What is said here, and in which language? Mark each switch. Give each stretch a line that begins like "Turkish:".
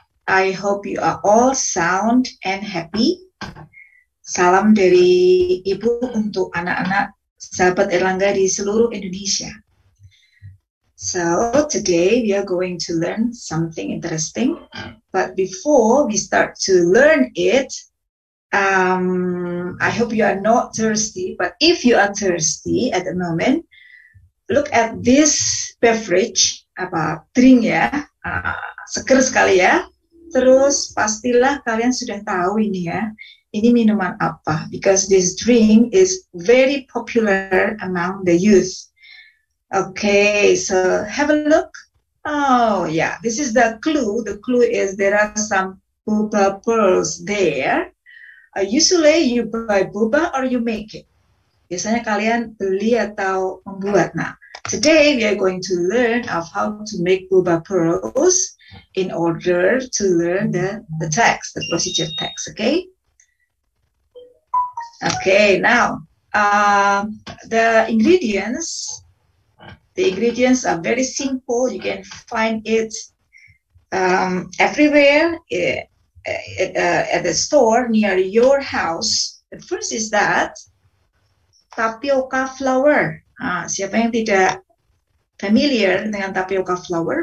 English: I hope you are all sound and happy.
Indonesian: Salam dari Ibu untuk anak-anak sahabat Erlangga di seluruh Indonesia.
English: So, today we are going to learn something interesting. But before we start to learn it, I hope you are not thirsty. But if you are thirsty at the moment, look at this beverage,
Indonesian: apa
English: drink
Indonesian: ya, seger sekali ya. Terus pastilah kalian sudah tahu ini ya, ini minuman apa.
English: Because this drink is very popular among the youth. Okay, so have a look. Oh yeah, this is the clue. The clue is there are some boba pearls there. Usually you buy boba or you make it.
Indonesian: Biasanya kalian beli atau membuat.
English: Nah, today we are going to learn of how to make boba pearls in order to learn the text, the procedure text, okay? Okay, now, the ingredients are very simple. You can find it everywhere at the store near your house. The first is that tapioca flour.
Indonesian: Siapa yang tidak familiar dengan tapioca flour?